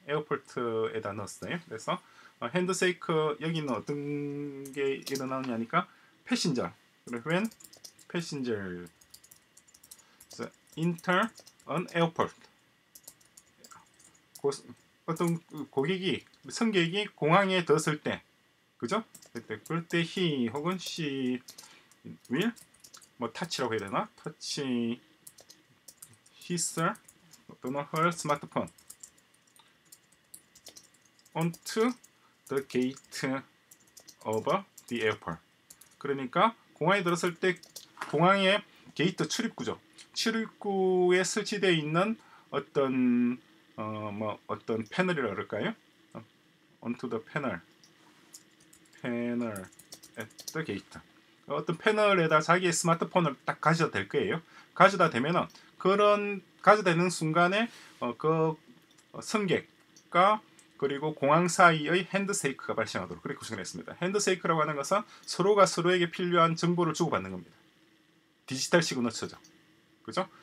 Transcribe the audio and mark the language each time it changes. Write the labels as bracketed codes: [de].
[ko] 에어폴트에다 넣었어요. 그래서 핸드세이크 여기는 어떤 게 일어나느냐니까 패신저 그리고 [en] when passenger enter an airport [ko] 어떤 고객이 승객이 공항에 들었을 때 그죠? 그때 그때 [en] he 혹은 she will [ko] 뭐 touch라고 해야 되나? [en] touch his or [ko] 또는 [en] her smartphone onto the gate of the airport. [ko] 그러니까 공항에 들었을 때 공항의 게이트 출입구죠. 출입구에 설치되어 있는 어떤 뭐 어떤 패널이라 그럴까요? [en] onto the panel. [ko] 패널 at the gate. 어떤 패널에다 자기의 스마트폰을 딱 가져다 될 거예요. 가져다 되면은 그런 가져다 되는 순간에 그 승객과 그리고 공항 사이의 핸드세이크가 발생하도록 그렇게 구성을 했습니다. 핸드세이크라고 하는 것은 서로가 서로에게 필요한 정보를 주고받는 겁니다. 디지털 시그너처죠. 그죠?